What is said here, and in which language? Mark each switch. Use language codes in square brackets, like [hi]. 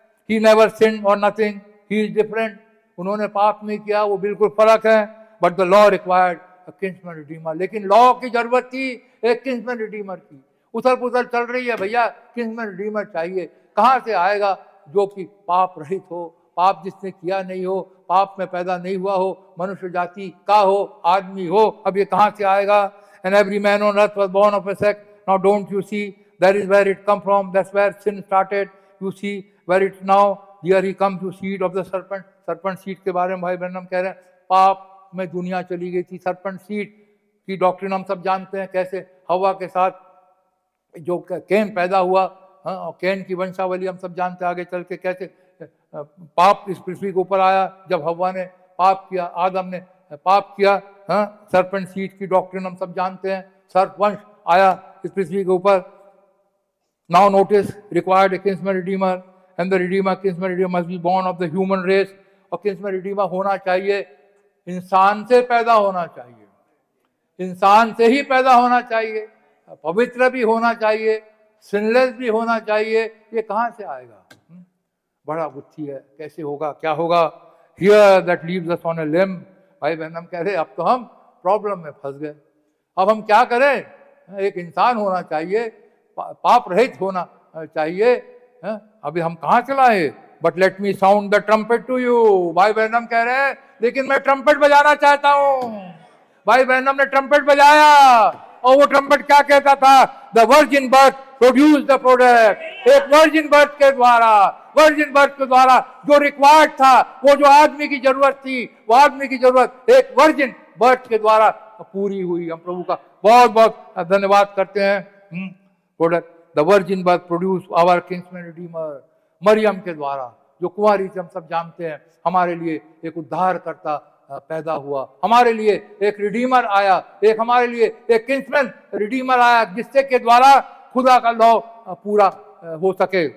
[en] he never sin और nothing, he is different, [hi] उन्होंने पाप नहीं किया, वो बिल्कुल फर्क है, [en] but the law required a kinsman redeemer, [hi] लेकिन लॉ की जरूरत थी एक किंग्समैन रिडीमर की, उथल पुथल चल रही है भैया, किंग्समैन रिडीमर चाहिए, कहाँ से आएगा जो कि पाप रहित हो, पाप जिसने किया नहीं हो, पाप में पैदा नहीं हुआ हो, मनुष्य जाति का हो, आदमी हो, अब ये कहाँ से आएगा। [en] And every man on earth was born of a sex, now don't you see that is where it come from, that's where sin started, you see where it's now, here he comes to seed of the serpent. [hi] Serpent seed के बारे में भाई Branham कह रहे हैं, पाप में दुनिया चली गई थी. Serpent seed की doctrine हम सब जानते हैं, कैसे हवा के साथ जो कैन पैदा हुआ, और कैन की वंशावली हम सब जानते हैं आगे चल के, कैसे पाप इस पृथ्वी के ऊपर आया जब हवा ने पाप किया, आदम ने पाप किया. Serpent seed की doctrine हम सब जानते हैं, सर्प वंश आया इस पृथ्वी के ऊपर. [en] Now notice, required a kinsman redeemer, and the redeemer, kinsman redeemer must be born of the human race. [hi] A kinsman redeemer होना चाहिए, इंसान से पैदा होना चाहिए, इंसान से ही पैदा होना चाहिए, पवित्र भी होना चाहिए, sinless भी होना चाहिए. ये कहाँ से आएगा? बड़ा गुत्थी है, कैसे होगा, क्या होगा? [en] Here that leaves us on a limb. [hi] भाई बहन हम कह रहे अब तो हम प्रॉब्लम में फंस गए, अब हम क्या करें? एक इंसान होना चाहिए, पाप रहित होना चाहिए, अभी हम कहाँ चलाएं? [en] But let me sound the trumpet to you. [hi] भाई ब्रैनम कह रहे हैं, लेकिन मैं ट्रम्पेट बजाना चाहता हूँ. भाई ब्रैनम ने ट्रम्पेट बजाया, और वो ट्रम्पेट क्या कहता था? [en] The virgin birth produced the product. [hi] एक वर्जिन बर्थ के द्वारा, वर्जिन बर्थ के द्वारा जो रिक्वायर्ड था, वो जो आदमी की जरूरत थी, वो आदमी की जरूरत एक वर्जिन बर्थ के द्वारा पूरी हुई. हम प्रभु का बहुत बहुत धन्यवाद करते हैं. [en] The virgin birth produced our kinsman redeemer, [hi] Maryam के द्वारा, जो कुंवारी से हम सब जानते हैं, हमारे लिए एक उद्धार करता पैदा हुआ, हमारे लिए एक रिडीमर आया, एक हमारे लिए एक किंसमैन रिडीमर आया, जिससे के द्वारा खुदा का लॉ पूरा हो सके.